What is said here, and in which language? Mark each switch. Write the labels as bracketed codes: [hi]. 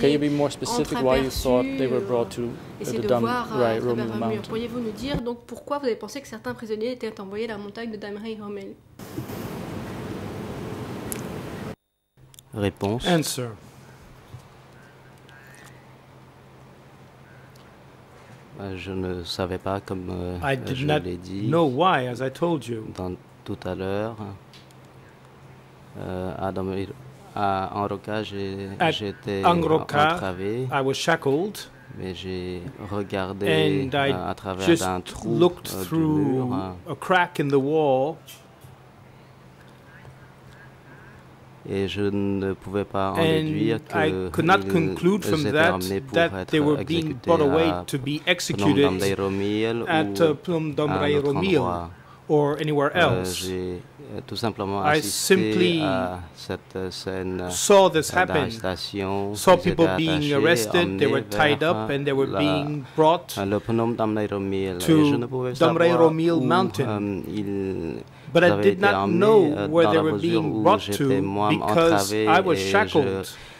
[en] can you be more specific why you thought they were brought to the Damrai Romil mountain? [fr] Pourriez-vous nous dire donc pourquoi vous avez pensé que certains prisonniers étaient envoyés à la montagne de Damrai Romil? Réponse. [en] Answer. [fr] Je ne savais pas comme je l'ai dit. [en] Know why, as I told you. [fr] Dans tout à l'heure, Adam, à Angroka, j'étais entravé. [en] I was shackled. [fr] Mais j'ai regardé à travers un trou du mur. [en] Through a crack in the wall. [fr] Et je ne pouvais pas en déduire que j'étais emmené pour être exécuté à Phnom Dam Rai Romil ou [en] anywhere else. [fr] J'ai tout simplement assisté à cette scène d'arrestation. [en] Saw people being arrested, they were tied up and they were being brought to Phnom Dam Rai Romil. Dam Rai Romil Mountain. But I did not know where they were being brought to because I was shackled.